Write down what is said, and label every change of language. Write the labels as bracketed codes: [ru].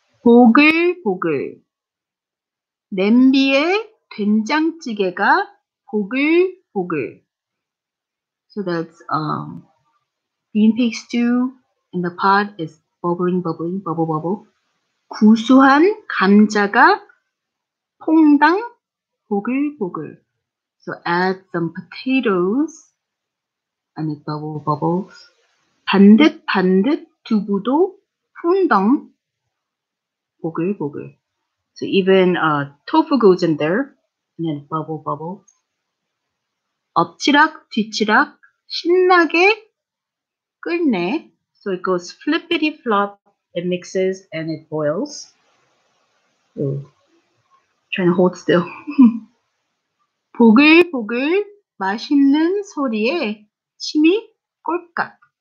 [ko] 보글보글 냄비에 된장찌개가 보글보글. [en] So that's bean paste stew in the pot is bubbling, bubbling, bubble, bubble. [ko] 구수한 감자가 퐁당 보글보글. [en] So add some potatoes and it bubble, bubbles. [ko] 반듯반듯 두부도 퐁당 보글보글. [en] So even tofu goes in there and then bubble, bubble. [ko] 엎치락 뒤치락 신나게 끓네. [en] So it goes flippity flop, it mixes and it boils. Ooh. Trying to hold still. [ko] 보글보글 맛있는 소리에 침이 꼴깍.